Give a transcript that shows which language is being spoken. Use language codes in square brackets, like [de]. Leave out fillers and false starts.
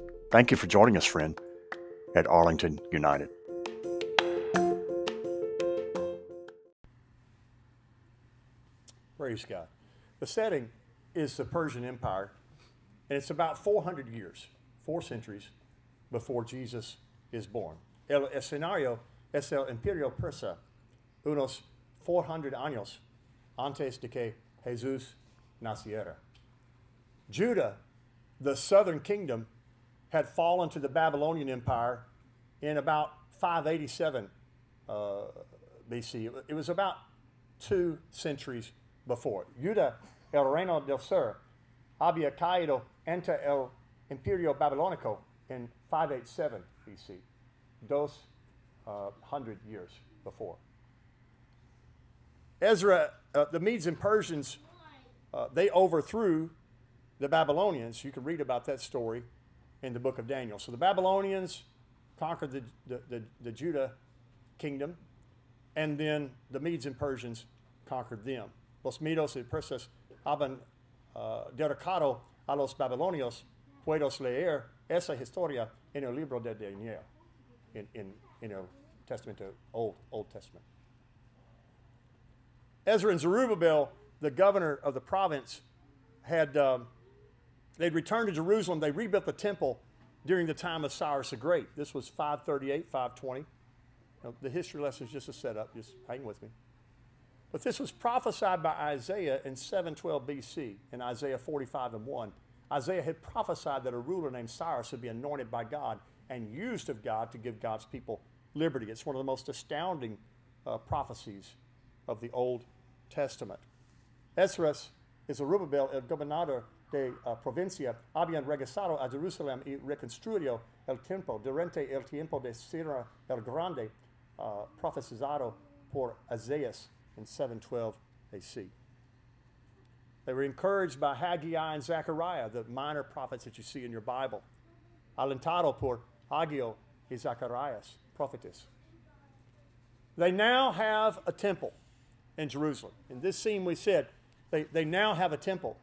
[en] Thank you for joining us, friend, at Arlington United. Praise God. The setting is the Persian Empire, and it's about 400 years, four centuries, before Jesus is born. [es] El escenario es el imperio persa, unos 400 años antes de que Jesús naciera. [en] Judah, the southern kingdom, had fallen to the Babylonian Empire in about 587 BC. It was about two centuries before. [es] Judah, el reino del sur, había caído ante el imperio babilónico [en] in 587 BC, 200 years before. Ezra, the Medes and Persians, they overthrew the Babylonians. You can read about that story in the book of Daniel. So the Babylonians conquered the Judah kingdom, and then the Medes and Persians conquered them. [es] Los Medos y Persas habían derrocado a los Babilonios. Puedes leer esa historia en el libro de Daniel, in el Testament, [en] Old Testament. Ezra and Zerubbabel, the governor of the province, they'd returned to Jerusalem. They rebuilt the temple during the time of Cyrus the Great. This was 538, 520. Now, the history lesson is just a setup. Just hang with me. But this was prophesied by Isaiah in 712 BC, in Isaiah 45 and 1. Isaiah had prophesied that a ruler named Cyrus would be anointed by God and used of God to give God's people liberty. It's one of the most astounding prophecies of the Old Testament. [es] Ezra y Zerubbabel, el gobernador de provincia, habían regresado a Jerusalem y reconstruido el templo durante el tiempo de Ciro el Grande, profetizado por Isaías in 712 AC. [en] They were encouraged by Haggai and Zechariah, the minor prophets that you see in your Bible. [es] Alentado por Haggai y Zacharias, prophetess. [en] They now have a temple in Jerusalem. In this scene we said, they now have a temple.